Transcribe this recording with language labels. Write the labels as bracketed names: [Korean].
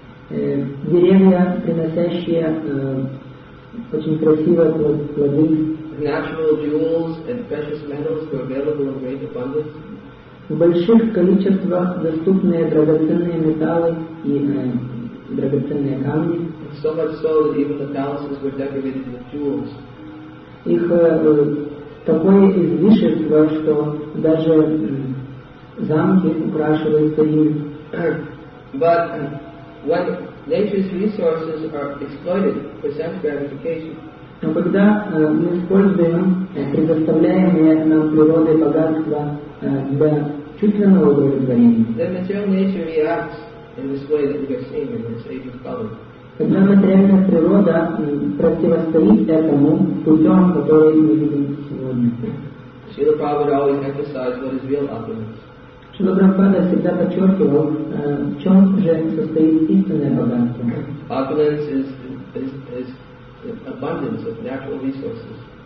[Russian] Деревья, приносящие очень красивые плоды. В больших количествах доступные драгоценные металлы и драгоценные камни. [English] So much so that even the palaces were decorated with jewels. [Russian] Их такое излишество, что даже замки украшиваются ими. [English] But when nature's resources are exploited for sense gratification, [Russian] но когда мы используем предоставляемые нам природой богатства для чувственного удовлетворения, [English] then material nature reacts in this way that we are seeing in this age of color. [Russian] Когда материальная природа противостоит этому путем, который мы видим сегодня. [English] Шрила Прабхупада always emphasized what is real opulence. [Russian] Шрила Прабхупада всегда подчеркивал, в чем же состоит истинное богатство. [English] Opulence is abundance of natural resources.